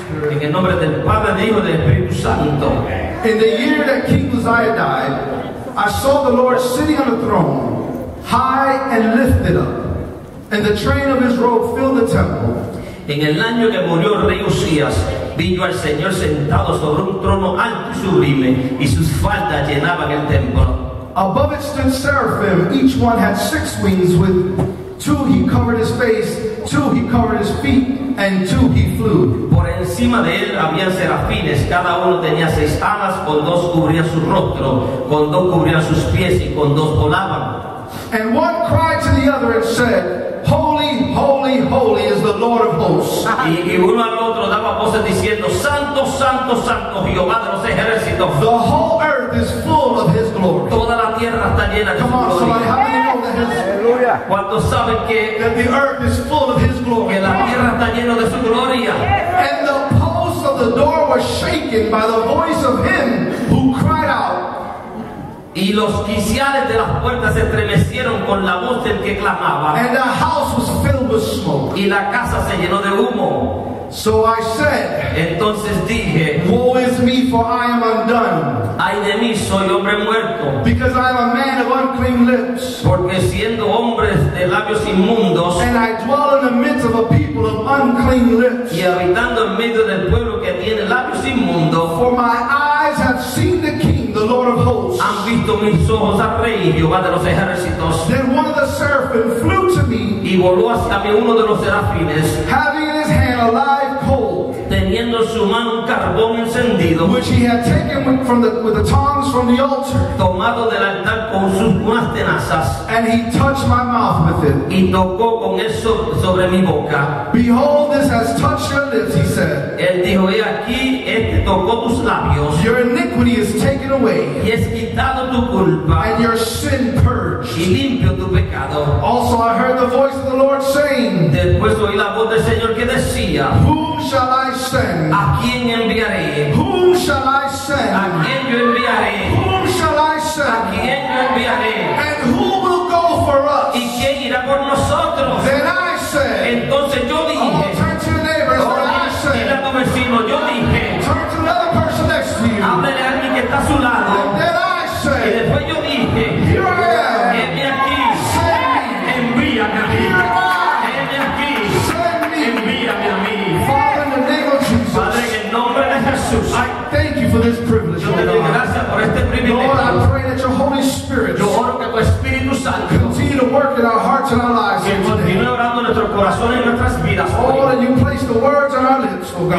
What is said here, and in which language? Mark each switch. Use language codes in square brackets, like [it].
[es] En el nombre del Padre, del Hijo y del Espíritu Santo. [en] In the year that King Uzziah died, I saw the Lord sitting on a throne, high and lifted up, and the train of His robe filled the temple. [es] En el año que murió el rey Uzzías, vi yo al Señor sentado sobre un trono alto y sublime, y sus faldas llenaban el templo. [en] Above it stood seraphim, each one had 6 wings, with 2 he covered his face, 2 he covered his feet, and 2 he flew. [es] Por encima de él había serafines, cada uno tenía 6 alas, con 2 cubría su rostro, con 2 cubría sus pies y con 2 volaban. [en] And one cried to the other and said, Holy, holy, holy is the Lord of hosts. [es] Y uno al otro daba voces diciendo, Santo, santo, santo, Jehová de los ejércitos. [en] The whole earth is full of His glory. [es] Toda la tierra está llena de [en] Come [es] su gloria. [en] Come on, somebody, how do you know that His glory? [es] Cuando saben que [en] that the earth is full of His glory. [es] Que la tierra está llena de su gloria. [en] And the posts of the door were shaken by the voice of Him who cried out. [es] Y los quiciales de las puertas se estremecieron con la voz del que clamaba. [en] And the house was filled with smoke. [es] Y la casa se llenó de humo. [en] So I said, [es] entonces dije, [en] woe is me, for I am undone. [es] Ay de mí, soy hombre muerto. [en] Because I am a man of unclean lips. [es] Porque siendo hombres de labios inmundos. [en] And I dwell in the midst of a people of unclean lips. [es] Y habitando en medio del pueblo que tiene labios inmundos. [en] For my eyes have seen the King, the Lord of hosts. [es] Han visto mis ojos al rey, Jehová de los ejércitos. [en] Then one of the seraphim flew to me. [es] Y voló hasta mí uno de los serafines. [en] Having in his hand a live coal. [es] Teniendo en su mano un carbón encendido. [en] Which he had taken with the tongs from the altar. [es] Tomado del altar con sus más tenazas. [en] And he touched my mouth with it. [es] Y tocó con eso sobre mi boca. [en] Behold, this has touched your lips, he said. [es] Él dijo, he aquí, este tocó tus labios. [en] Your iniquity is taken away. [es] Y es quitado tu culpa. [en] And your sin purged. [es] Y limpio tu pecado. [en] Also I heard the voice of the Lord saying. [es] Después oí la voz del Señor que decía. [en] Who shall I send? [es] ¿A quién enviaré? [en] Who shall I send? [es] ¿A quién yo enviaré? [en] Whom shall I send? [es] ¿A quién yo enviaré? [en] And who will go for us? [es] ¿Y quién irá por nosotros? [en] Then I said. [es] Entonces yo dije. [en] Oh, turn to your neighbor. Oh, what I said. [es] Dile a tu vecino, yo dije. [en] Turn to another person next to you. [es] Háblele a alguien que está a su lado. [en] And then I said. [es] Y después yo dije. [en] Here I am. [es] Heme aquí. [en] Send me. [es] Envíame a mí. [en] I thank you for for this privilege, Lord. [es] Yo te doy gracias por este privilegio. [en] Lord, I pray that your Holy Spirit, [es] yo oro que tu Espíritu Santo, [en] continue to work in our hearts and our lives. [es] Que continúe orando nuestros corazones y nuestras vidas. [en] Oh, that you place the words on our lips, oh God.